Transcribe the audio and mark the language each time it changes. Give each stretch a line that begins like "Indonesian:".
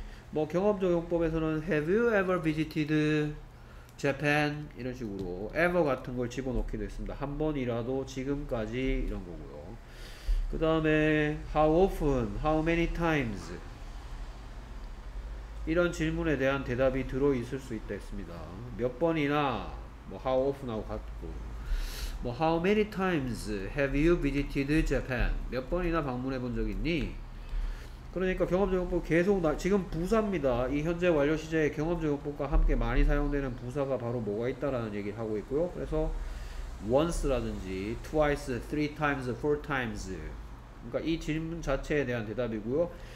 Korean: 뭐 경험적 용법에서는
English: Have you ever visited Japan?
Korean: 이런 식으로 ever 같은 걸 집어넣기도 했습니다. 한 번이라도 지금까지 이런 거고요.
English: 그 다음에 How often? How many times?
Korean: 이런 질문에 대한 대답이 들어있을 수 있다 했습니다. 몇 번이나 뭐
English: How often?
Korean: 하고 같고 뭐
English: How many times have you visited Japan?
Korean: 몇 번이나 방문해 본 적 있니? 그러니까 경험적 용법 계속 지금 부사입니다. 이 현재 완료 시제의 경험적 용법과 함께 많이 사용되는 부사가 바로 뭐가 있다라는 얘기를 하고 있고요. 그래서 once라든지 twice,
English: three times, four times
Korean: 그러니까 이 질문 자체에 대한 대답이고요.